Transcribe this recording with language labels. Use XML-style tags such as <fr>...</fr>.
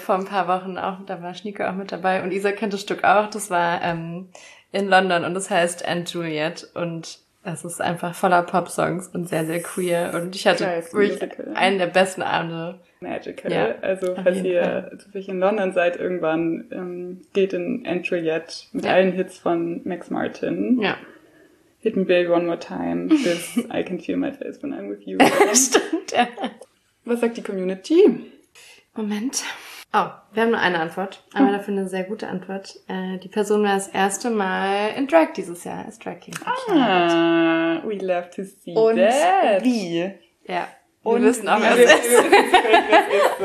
<de>Vor ein paar Wochen auch, da war Schnieke auch mit dabei und Isa kennt das Stück auch, das war, in London und das heißt Aunt Juliet und es ist einfach voller Pop-Songs und sehr, sehr queer. Und ich hatte einen der besten Abende. Magical. Ja, also, falls ihr zufällig in London seid, irgendwann geht in Aunt Juliet mit allen Hits von Max Martin. Ja.</de> <en>Hit me baby one more time,</en> <de>bis</de> <en>I can feel my face when I'm with you.</en> <de>Stimmt, ja. Was sagt die Community? Moment. Oh, wir haben nur eine Antwort. Aber dafür eine sehr gute Antwort. Die Person war das erste Mal in Drag dieses Jahr. Ist Drag King.</de> <en>Ah, we love to see</en> <de>und</de> <en>that.</en> <de>Und wie? Ja, und wir wissen auch, wer es ist. Das ist so.</de>